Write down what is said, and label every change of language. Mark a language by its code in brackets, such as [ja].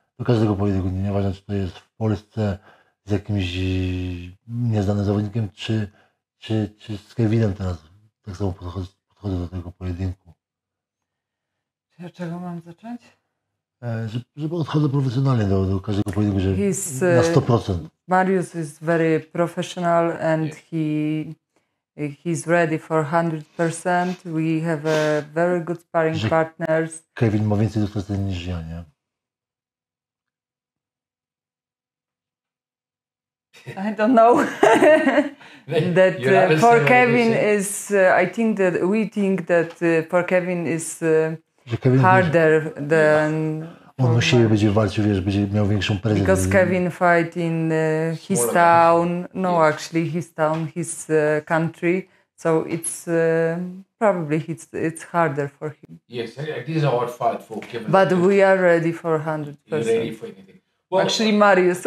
[pl] Do każdego pojedynku, nieważne czy to jest w Polsce, z jakimś nieznanym zawodnikiem, czy z Kevinem teraz tak samo podchodzę do tego pojedynku. Ja czego mam zacząć? Żeby odchodzę profesjonalnie do każdego pojedynku, że na 100%. [en] Marius is very professional and he's ready for 100%. We have a very good sparring partners. [pl] Kevin ma więcej do stracenia niż ja, nie? [en] I don't know. That for Kevin is, I think that we think that for Kevin is harder than. [pl] On musi będzie walczył, wiesz, będzie miał większą prezencję. [en] Because Kevin fight in his town, no, actually his town, his country, so it's probably it's harder for him. Yes, it is a hard fight for Kevin. But we are ready for 100%. Ready for anything. Well, actually, Marius.